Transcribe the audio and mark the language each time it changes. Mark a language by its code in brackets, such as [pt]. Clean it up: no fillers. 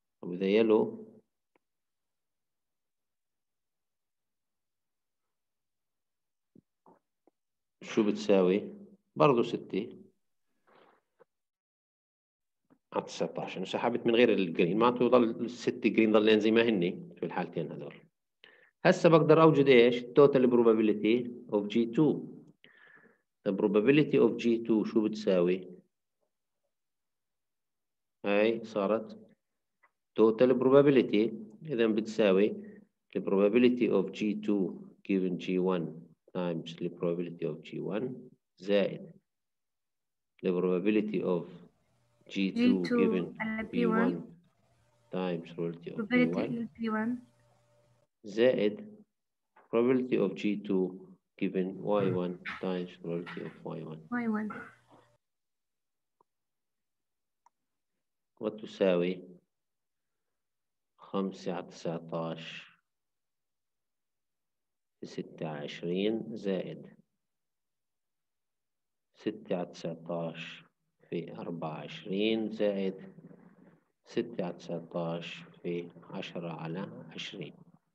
[ar] وإذا يلو شو بتساوي؟ برضو 6 على 19 سحبت من غير الجرين، معناته ضل الست جرين ضلين زي ما هن في الحالتين هذول. هسا بقدر أوجد ايش؟ [en] total probability of G2. The probability of G2 [ar] شو بتساوي؟ هاي صارت [en] total probability، [ar] إذا بتساوي [en] the probability of G2 given G1 times the probability of G1 [ar] زائد [en] the probability of G2, G2 given P1 times probability of P1 [ar] زائد [en] probability of G2 given Y1 times probability of Y1. [ar] وتساوي 5 على 19 ستة عشرين زائد 6 على 19 في 24 زائد 6 على 19 في 10 على 20.